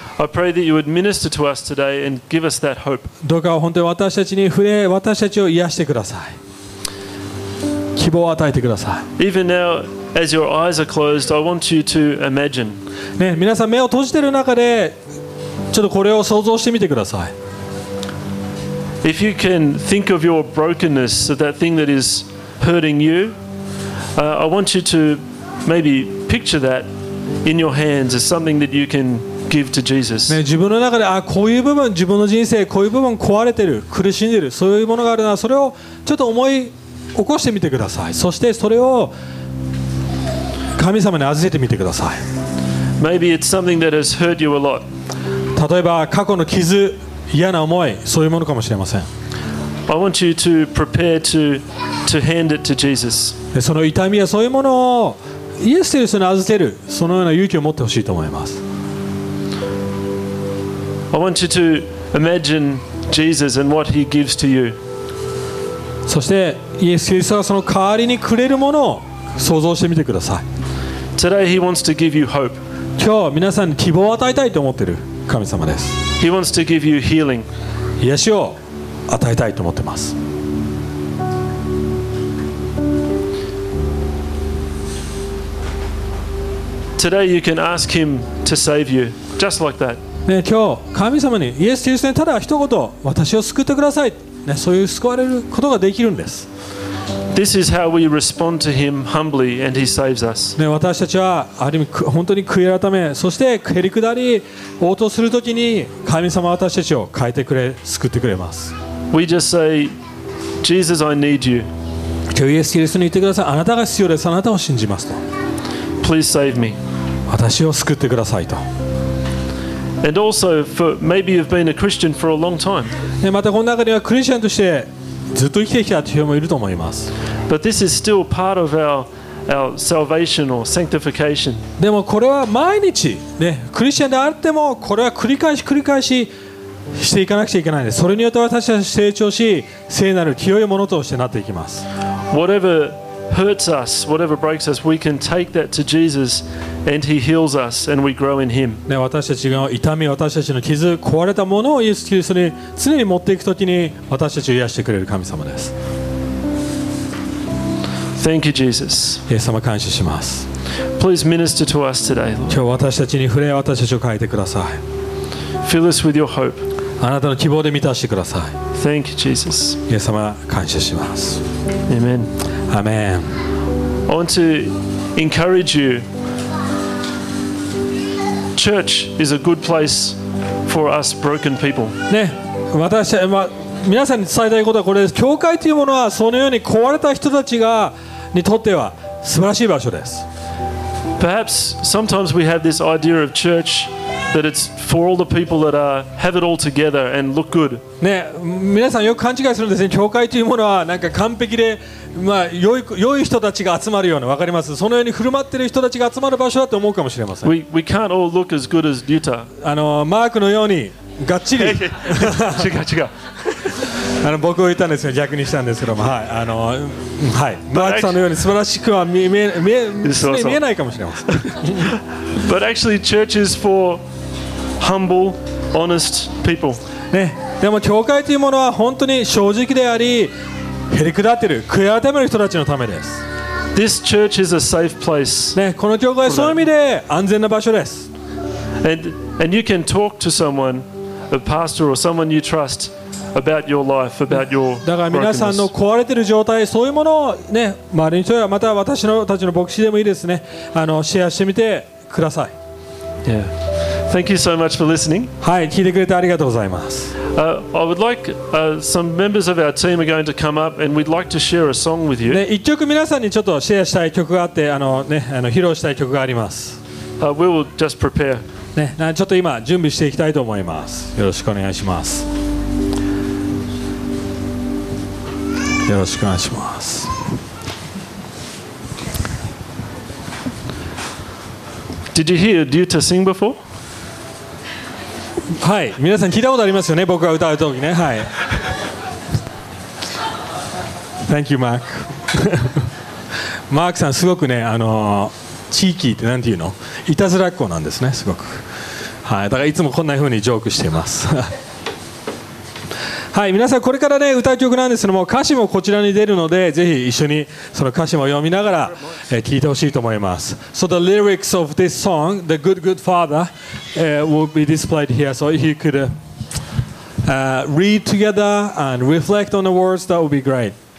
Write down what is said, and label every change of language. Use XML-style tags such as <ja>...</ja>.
<en>I pray that you would minister to us today and give us that hope.</en> <ja>どうか本当に私たちに触れ、私たちを癒してください、希望を与えてください。</ja> <en>Even now, as your eyes are closed, I want you to imagine</en> <ja>ね、皆さん目を閉じている中でちょっとこれを想像してみてください。</ja> <en>If you can think of your brokenness, that thing that is hurting you, I want you to maybe picture that in your hands as something that you can give to Jesus.</en> <ja>自分の中で、あ、こういう部分、自分の人生、こういう部分壊れてる、苦しんでる、そういうものがあるな、それをちょっと思い起こしてみてください。そしてそれを神様に預けてみてください。</ja> <en>Maybe it's something that has hurt you a lot.</en> <ja>例えば過去の傷、嫌な思い、そういうものかもしれません。</ja> <en>I want you to prepare to hand it to Jesus.</en> <ja>その痛みやそういうものをイエス・キリストに預ける、そのような勇気を持ってほしいと思います。</ja> <en>I want you to imagine Jesus and what he gives to you.</en> <ja>そしてイエス・キリストがその代わりにくれるものを想像してみてください。</ja> <en>Today he wants to give you hope.</en> <ja>今日皆さんに希望を与えたいと思っている神様です。</ja> <en>He wants to give you healing.</en> <ja>癒しを与えたいと思ってます。</ja> <en>Today you can ask him to save you, just like that.</en> <ja>ね、今日神様にイエス・キリストにただ一言、私を救ってください、ね、そういう救われることができるんです。</ja> <en>This is how we respond to him humbly and he saves us.、</en> <ja>ね、私たちはある意味本当に悔い改め、そして減り下り応答するときに神様は私たちを変えてくれ、救ってくれます。</ja> <en>We just say, Jesus, I need you.</en> <ja>今日イエス・キリストに言ってください、あなたが必要です、あなたを信じますと。</ja> <en>Please save me.</en> <ja>私を救ってくださいと。</ja> <en>And also, for maybe you've been a Christian for a long time.</en> <ja>ね、またこの中にはクリスチャンとしてずっと生きてきたという人もいると思います。</ja> <en>But this is still part of our salvation or sanctification.</en> <ja>でもこれは毎日、ね、クリスチャンであっても、これは繰り返し繰り返ししていかなくちゃいけないんです。それによって私は成長し、聖なる清いものとしてなっていきます。</ja> <en>Whatever hurts us, whatever breaks us, we can take that to Jesus and he heals us and we grow in him.</en> <ja>私たちの痛み、私たちの傷、壊れたものをイエス・キリストに常に持っていくときに私たちを癒してくれる神様です。</ja> <en>Thank you, Jesus.</en> <ja>イエス様、感謝します。</ja> <en>Please minister to us today, Lord.</en> <ja>今日私たちに触れ、私たちを変えてください。</ja> <en>Fill us with your hope.</en> <ja>あなたの希望で満たしてください。</ja> <en>Thank you, Jesus.</en> <ja>イエス様、感謝します。</ja> <en>Amen. Amen. I want to encourage you. Church is a good place for us broken people.</en> <ja>ね、私、ま、皆さんに伝えたいことはこれです。教会というものはそのように壊れた人たちがにとっては素晴らしい場所です。</ja> <en>Perhaps sometimes we have this idea of church that it's for all the people that have it all together and look good.</en> <ja>ね、皆さんよく勘違いするんですね。教会というものはなんか完璧で、まあ、良い人たちが集まるような、分かります、そのように振る舞っている人たちが集まる場所だと思うかもしれません。</ja> <en>We can't all look as good as Luther.</en> <ja>あのマークのようにがっちり違う違うあの僕を言ったんですよ、逆にしたんですけども、はい、あの、はい、マークさんのように素晴らしくは見えないかもしれません。</ja> <en>But actually church is for humble, honest people.</en> <ja>ね、でも教会というものは本当に正直であり、減り下っている悔い改める人たちのためです。</ja> <en>This church is a safe place、</en> <ja>ね、この教会はそういう意味で安全な場所です。</ja> <en>and you can talk to someone, a pastor or someone you trust, about your life, about your brokenness.</en> <ja>だから皆さんの壊れている状態、そういうものを、ね、周りの人や、また私のたちの牧師でもいいですね、あのシェアしてみてください。</ja> <en>Yeah. Thank you so much for listening.</en> <ja>はい、聞いてくれてありがとうございます。</ja> <en>I would like some members of our team are going to come up and we'd like to share a song with you.</en> <ja>ね、一曲皆さんにちょっとシェアしたい曲があって、あのね、あの披露したい曲があります。</ja> <en>We will just prepare.</en> <ja>ね、ちょっと今準備していきたいと思います。よろしくお願いします。よろしくお願いします。</ja> <en>Did you hear Duta sing before?</en> <ja>はい、皆さん聞いたことありますよね、僕が歌うときね、はい。</ja> <en>Thank you, Mark.</en> <ja>マークさん、すごくね、チーキーってなんていうの、いたずらっ子なんですね、すごく。はい、だからいつもこんな風にジョークしています。はい、皆さん、これからね、歌う曲なんですけども、歌詞もこちらに出るので、ぜひ一緒にその歌詞も読みながら、聞いてほしいと思います。</ja> <en>So the lyrics of this song, The Good Good Father, will be displayed here. So if you could read together and reflect on the words, that would be great.</en>